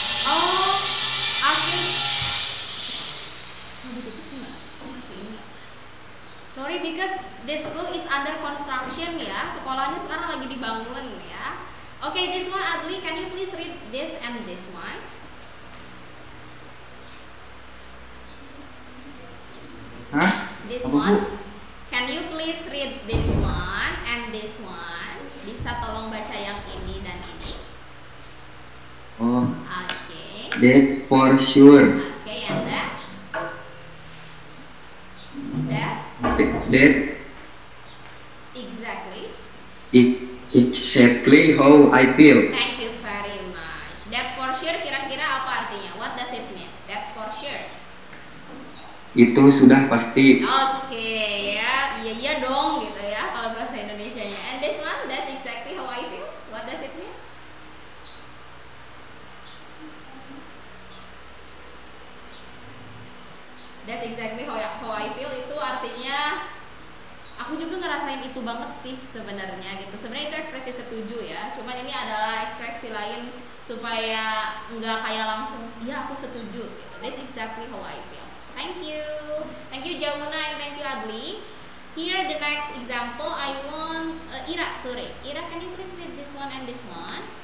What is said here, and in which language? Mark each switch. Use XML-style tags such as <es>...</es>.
<en>Oh, aku sorry, because this school is under construction ya.</en> <id>Sekolahnya sekarang lagi dibangun ya.</id> <en>Okay, this one Adli, can you please read this and this one? Hah? This one? Can you please read this one and this one?</en> <id>Bisa tolong baca yang ini dan ini?</id> <en>Oh, that's for sure. Okay, and that? That's exactly. Exactly how I feel. Thank you very much. That's for sure.</en> <id>Kira-kira apa artinya?</id> <en>What does it mean? That's for sure.</en> <id>Itu sudah pasti. Okay, ya, iya iya dong, gitu ya, kalau bahasa Indonesianya.</id> <en>And this one, that's exactly how I feel. What does it mean? That's exactly how I feel,</en> <id>itu artinya aku juga ngerasain itu banget sih sebenarnya gitu. Sebenarnya itu ekspresi setuju ya, cuman ini adalah ekspresi lain supaya nggak kayak langsung ya aku setuju gitu.</id> <en>That's exactly how I feel. Thank you Jauna and thank you Adli. Here the next example, I want Ira to read. Ira, can you please read this one and this one?</en>